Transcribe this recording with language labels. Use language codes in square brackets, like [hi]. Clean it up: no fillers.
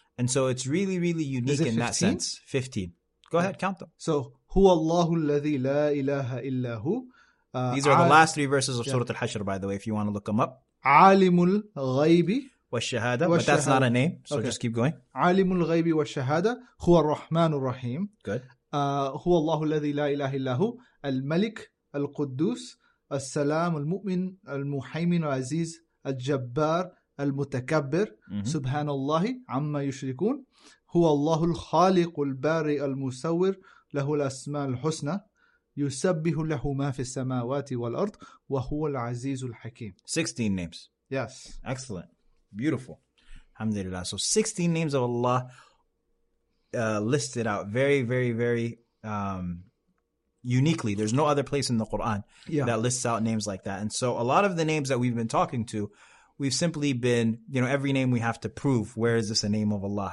[en] And so it's really, really unique in 15? That sense. 15. Go ahead, count them. So, [ar] huwa Allahu alladhi la ilaha illa hu. [en] These are the last three verses of Surah Al-Hashr, by the way, if you want to look them up. [ar] Alimul ghaybi. [en] والشهادة, but that's not a name, so okay. Just keep going. [ar] عالم الغيب والشهادة هو الرحمن الرحيم. [en] Good. [ar] هو الله الذي لا إله إلا هو الملك القدوس السلام المؤمن المحيمن العزيز الجبار المتكبر سبحان الله عما يشركون هو الله الخالق البارئ المصور له الأسماء الحسنى يسبح له ما في السماوات والأرض وهو العزيز الحكيم. [en] 16 names. Yes. Excellent. Beautiful. Alhamdulillah. So 16 names of Allah listed out very, very, very uniquely. There's no other place in the Quran that lists out names like that. And so a lot of the names that we've been talking to, we've simply been, you know, every name we have to prove, where is this a name of Allah?